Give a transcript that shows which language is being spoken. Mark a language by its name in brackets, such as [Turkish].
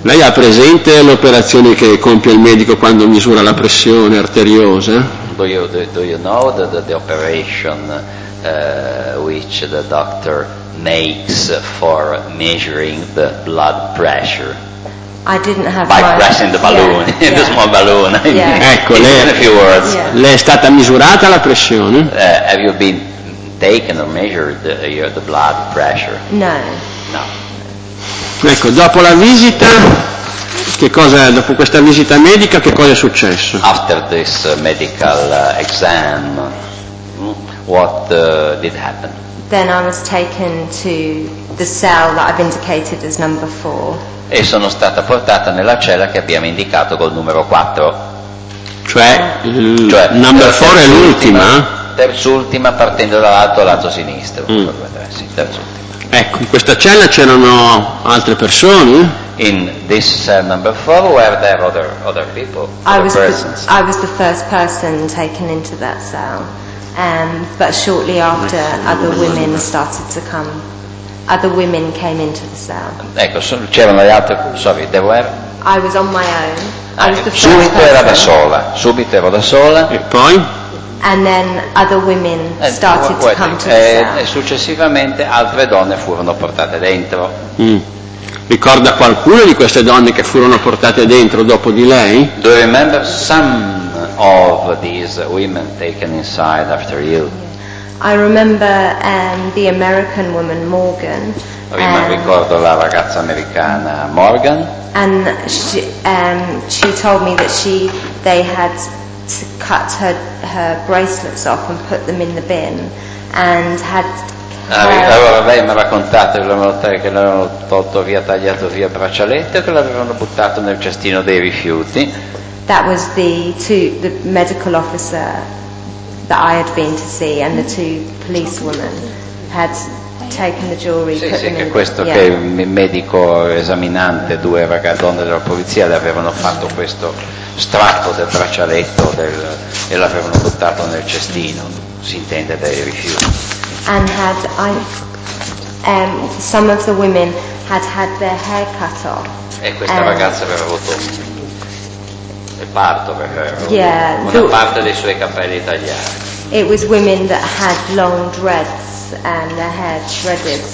[Italian] Lei ha presente l'operazione che compie il medico quando misura la pressione arteriosa? [English] Do you know the operation which the doctor makes for measuring the blood pressure? I didn't have by pressing the balloon, yeah, yeah. The small balloon. Yeah. [Italian] Ecco, lei è stata misurata la pressione? [English] Have you been taken or measured the blood pressure? No. No. [Italian] Ecco, dopo la visita, che cosa, dopo questa visita medica, che cosa è successo? [English] After this medical exam, what did happen? Then I was taken to the cell that I've indicated as number 4. [Italian] E sono stata portata nella cella che abbiamo indicato col numero 4. Cioè number 4 è l'ultima? Terz'ultima, partendo dall'alto lato sinistro. Sì, terz'ultima. Ecco, in questa cella c'erano altre persone? [English] In this cell number 4 were there other people? I was the first person taken into that cell. But shortly after, other women started to come. Other women came into the cell. [Italian] Ecco, c'erano le altre. [English] Sorry, there were? I was on my own. [Italian] Subito era da sola. Subito ero da sola. E poi? [English] And then other women started to come to the cell. [Italian] E successivamente altre donne furono portate dentro. Ricorda qualcuna di queste donne che furono portate dentro dopo di lei? [English] Do you remember some of these women taken inside after you? I remember the American woman Morgan. [Italian] Ricordo la ragazza americana Morgan. [English] And she told me that they had to cut her bracelets off and put them in the bin and had. [Italian] Allora lei mi ha raccontato che l'avevano tolto via, tagliato via il braccialetto, che l'avevano buttato nel cestino dei rifiuti. [English] That was the medical officer that I had been to see, and the two policewomen had taken the jewelry. [Italian] Sì, sì, che questo, yeah, che il medico esaminante, due ragazzone della polizia, le avevano fatto questo strappo del braccialetto e l'avevano buttato nel cestino, si intende, dei rifiuti. [English] And had some of the women had their hair cut off. [Italian] E questa ragazza aveva avuto il parto, [English] yeah, [Italian] una parte dei suoi capelli tagliati. [English] It was women that had long dreads and their hair shredded.